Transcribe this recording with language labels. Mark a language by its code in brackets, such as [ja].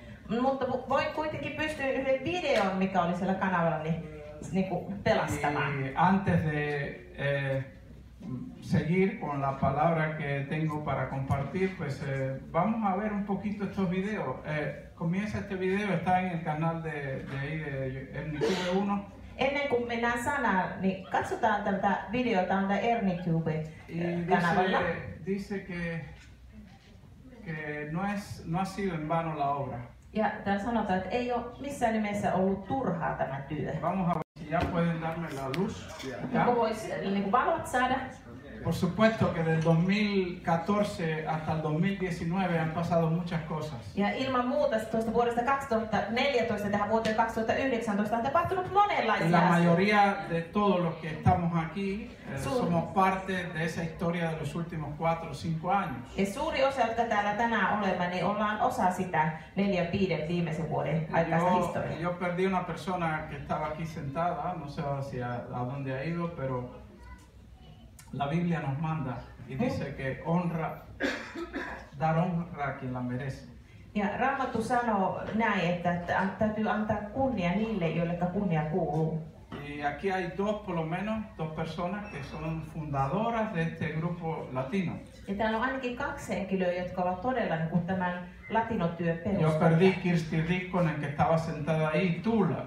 [es] Y antes de seguir con la palabra que tengo para compartir, pues vamos a ver un poquito estos videos. Comienza este video, está en el canal de ahí, de MTV1. [fi] Ennen kuin mennään sanaan, niin katsotaan tätä videota tältä Ernie Cube-kanavalla. [es] Dice que no, es, no ha sido en vano la obra. [fi] Ja täällä sanotaan, että ei ole missään nimessä ollut turhaa tämä työ. [es] Vamos a ver si ya pueden darme la luz. [fi] Joku vois niin valot saada. [es] Por supuesto que del 2014 hasta el 2019 han pasado muchas cosas. [fi] Ja ilman muuta tuosta vuodesta 2014 tähän vuoteen 2019 on tapahtunut monenlaisia. [es] La mayoría de todos los que estamos aquí somos parte de esa historia de los últimos 4 o 5 años. [fi] Ja suuri osa, jotka täällä tänään olemme, niin ollaan osa sitä 4-5 viimeisen vuoden aikaista historiaa. [es] Yo perdí una persona que estaba aquí sentada, no sé hacia a dónde ha ido, pero la Biblia nos manda y dice que honra, dar honra a quien la merece. [fi] Ja Raamattu sanoo näin, että täytyy antaa kunnia niille, joille kunnia kuuluu. [es] Y aquí hay dos, por lo menos, dos personas que son fundadoras de este grupo latino. [fi] Ja täällä on ainakin kaksi henkilöä, jotka ovat todella niin kuin tämän latinotyön perustajia. [es] Yo perdí Kirsti Rikkonen, que estaba sentada ahí, Tula.